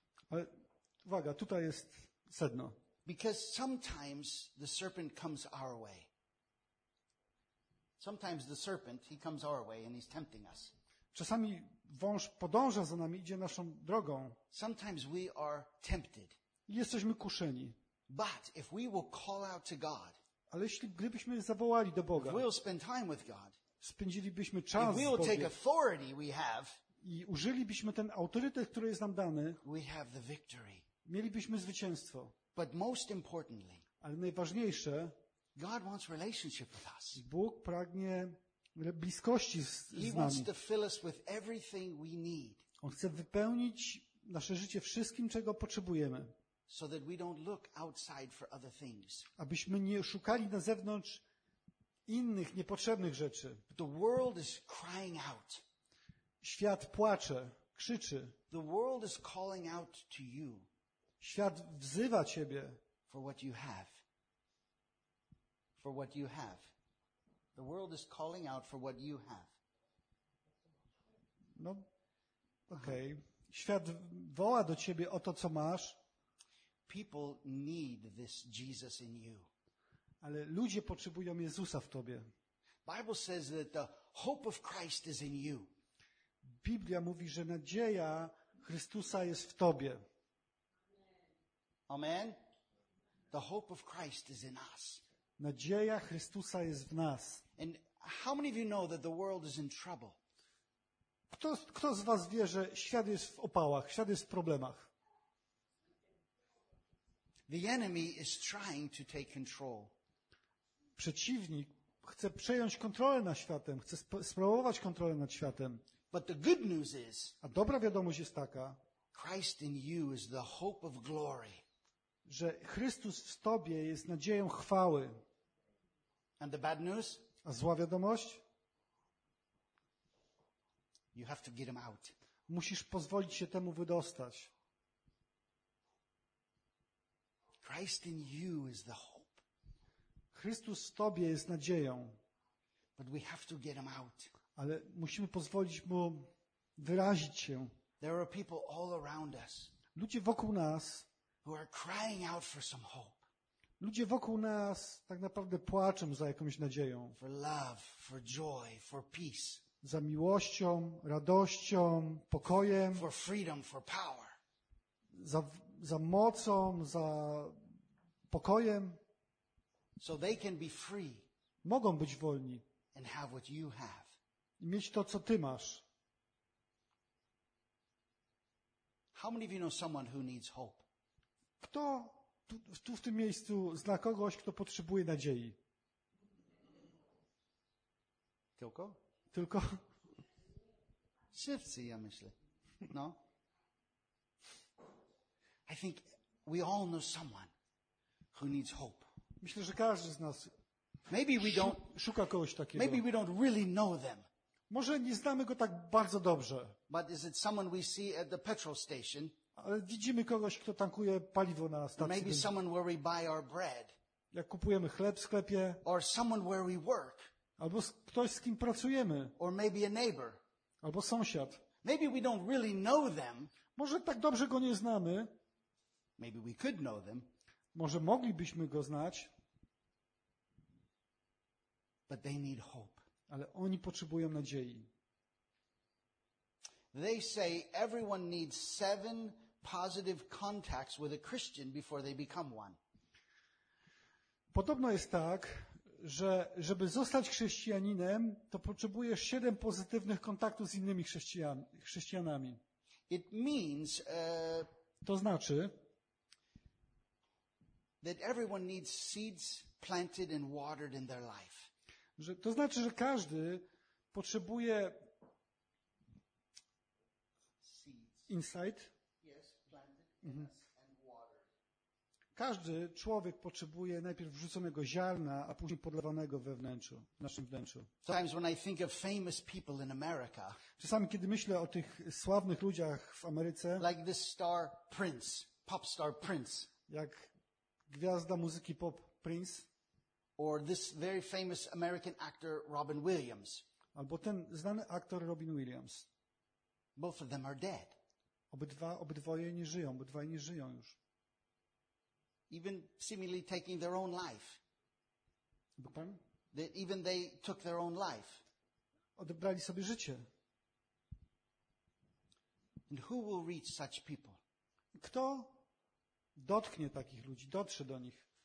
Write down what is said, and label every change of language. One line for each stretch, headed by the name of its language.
Polish: Ale uwaga, tutaj jest sedno.
English: Because sometimes the serpent comes our way. Sometimes the serpent, he comes our way and he's tempting us.
Polish: Czasami wąż podąża za nami, idzie naszą drogą.
English: Sometimes we are tempted.
Polish: Jesteśmy kuszeni.
English: But if we will call out to God.
Polish: Ale jeśli gdybyśmy zawołali do Boga.
English: If we'll spend time with God.
Polish: Spędzilibyśmy czas z Bogiem.
English: If we'll take authority we have.
Polish: I użylibyśmy ten autorytet, który jest nam dany.
English: We have the victory.
Polish: Mielibyśmy zwycięstwo.
English: But most importantly,
Polish: ale najważniejsze,
English: God wants relationship with us.
Polish: Bóg pragnie bliskości z nami.
English: He wants to fill us with everything we need.
Polish: On chce wypełnić nasze życie wszystkim, czego potrzebujemy.
English: So that we don't look outside for other things.
Polish: Abyśmy nie szukali na zewnątrz innych, niepotrzebnych rzeczy.
English: But the world is crying out.
Polish: Świat płacze, krzyczy.
English: The world is calling out to you.
Polish: Świat wzywa ciebie.
English: For what you have. For what you have. The world is calling out for what you have. No. Okej. Okay.
Polish: Świat woła do ciebie o to, co masz.
English: People need this Jesus in you.
Polish: Ale ludzie potrzebują Jezusa w tobie.
English: Bible says that the hope of Christ is in you.
Polish: Biblia mówi, że nadzieja Chrystusa jest w tobie.
English: Amen. The hope of Christ is in us.
Polish: Nadzieja Chrystusa jest w nas.
English: And how many of you know that the world is in trouble?
Polish: Kto z was wie, że świat jest w opałach, świat jest w problemach?
English: The enemy is trying to take control.
Polish: Przeciwnik chce przejąć kontrolę nad światem, chce sprawować kontrolę nad światem.
English: But the good news is,
Polish: a dobra wiadomość jest taka,
English: Christ in you is the hope of glory.
Polish: Że Chrystus w tobie jest nadzieją chwały.
English: And the bad news?
Polish: A zła wiadomość?
English: You have to get him out.
Polish: Musisz pozwolić się temu wydostać.
English: Christ in you is the hope.
Polish: Chrystus w tobie jest nadzieją.
English: But we have to get him out.
Polish: Ale musimy pozwolić mu wyrazić się.
English: There are people all around us.
Polish: Ludzie wokół nas.
English: Who are crying out for some hope.
Polish: Ludzie wokół nas tak naprawdę płaczą za jakąś nadzieją.
English: For love, for joy, for peace.
Polish: Za miłością, radością, pokojem.
English: For freedom, for power.
Polish: Za mocą, za pokojem.
English: So they can be free.
Polish: Mogą być wolni.
English: And have what you have.
Polish: I mieć to, co ty masz.
English: How many of you know someone who needs hope?
Polish: Kto tu w tym miejscu zna kogoś, kto potrzebuje nadziei? Tylko? Tylko? Wszyscy, ja myślę. No.
English: I think we all know someone who needs hope.
Polish: Myślę, że każdy z nas
English: maybe we don't
Polish: szuka kogoś takiego.
English: Maybe we don't really know them.
Polish: Może nie znamy go tak bardzo dobrze.
English: But is it someone we see at the petrol station?
Polish: Ale widzimy kogoś, kto tankuje paliwo na stacji.
English: Maybe someone where we buy our bread.
Polish: Jak kupujemy chleb w sklepie.
English: Or someone where we work.
Polish: Albo ktoś, z kim pracujemy.
English: Or maybe a neighbor.
Polish: Albo sąsiad.
English: Maybe we don't really know them.
Polish: Może tak dobrze go nie znamy.
English: Maybe we could know them.
Polish: Może moglibyśmy go znać.
English: But they need hope.
Polish: Ale oni potrzebują nadziei.
English: They say everyone needs 7 positive contacts with a Christian before they become one.
Polish: Podobno jest tak, że żeby zostać chrześcijaninem, to potrzebujesz 7 pozytywnych kontaktów z innymi chrześcijanami.
English: It means
Polish: to znaczy
English: that everyone needs seeds planted and watered in their life.
Polish: Że to znaczy, że każdy potrzebuje insight.
English: Yes, planted, yes, and watered.
Polish: Każdy człowiek potrzebuje najpierw wrzuconego ziarna, a później podlewanego we wnętrzu, w naszym wnętrzu.
English: Sometimes when I think of famous people in America,
Polish: czasami kiedy myślę o tych sławnych ludziach w Ameryce,
English: like this star Prince, pop star Prince,
Polish: jak gwiazda muzyki pop Prince,
English: or this very famous American actor Robin Williams,
Polish: albo ten znany aktor Robin Williams.
English: Both of them are dead.
Polish: Obydwoje nie żyją, obydwaj nie żyją już.
English: Even seemingly taking their own life.
Polish: Pardon?
English: That even they took their own life.
Polish: Odebrali sobie życie.
English: And who will reach such people?
Polish: Kto dotknie takich ludzi, dotrze do nich?